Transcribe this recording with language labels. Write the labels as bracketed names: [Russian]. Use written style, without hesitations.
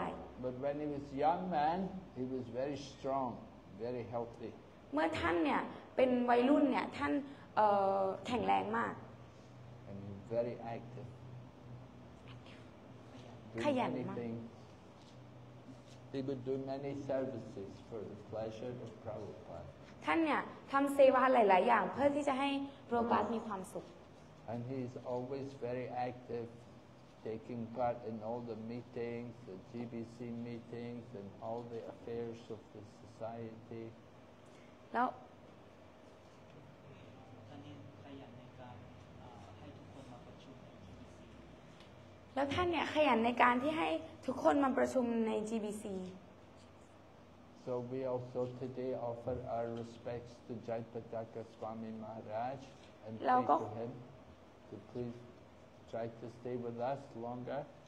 [English] But when he was young man he was very strong very healthy [Thai] เมื่อท่านเนี่ยเป็นวัยรุ่นเนี่ยท่านแข็งแรงมาก [English] And he was very active [Thai] ขยันมาก [English] He would do many services for the pleasure of Prabhupada [Thai] ท่านเนี่ยทำเซวาหลายๆอย่างเพื่อที่จะให้พระบาทมีความสุข [English] And he is always very activeTaking part in all the meetings, the GBC meetings, and all the affairs of the society. No. [Thai] แล้วท่านเนี่ยขยันในการที่ให้ทุกคนมาประชุมใน GBC. [English] So we also today offer our respects to Jaipataka Swami Maharaj and pray to him to please. Try to stay with us longer.